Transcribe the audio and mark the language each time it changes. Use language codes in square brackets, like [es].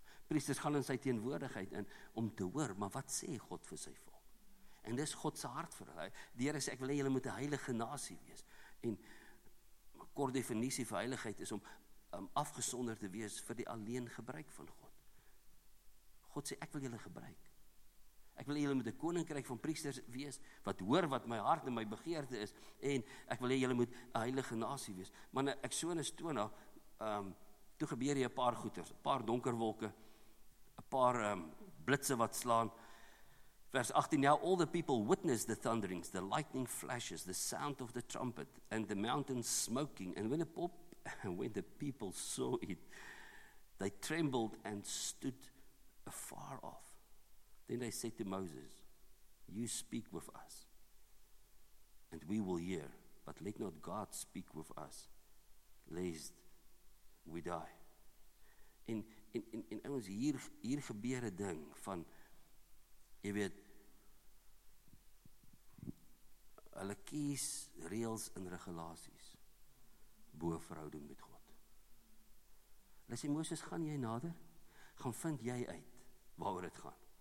[af] Priesters gaan in sy teenwoordigheid in om te hoor, maar wat sê God vir sy volk? En dis God se hart vir hulle. Die Heere sê, ek wil hê julle moet 'n heilige nasie wees. En kort definisie vir heiligheid is om afgesonder te wees vir die alleen gebruik van God. God sê, ek wil julle gebruik. Ek wil julle met die koninkryk van priesters wees, wat hoor wat my hart en my begeerte is, en ek wil julle met een heilige nasie wees. Maar in Exodus 20, toe gebeur hier een paar goeders, een paar donkerwolke, een paar blitse wat slaan. [en] Vers 18, now all the people witnessed the thunderings, the lightning flashes, the sound of the trumpet, and the mountain smoking. And when the people saw it, they trembled and stood afar off. Then they said to Moses, you speak with us and we will hear, but let not God speak with us lest we die. [af] En ons hier gebeur 'n ding van, jy weet, hulle kies reëls en regulasies bo verhouding met God. Hulle sê, Moses, gaan jy nader? Gaan vind jy uit waaroor dit gaan.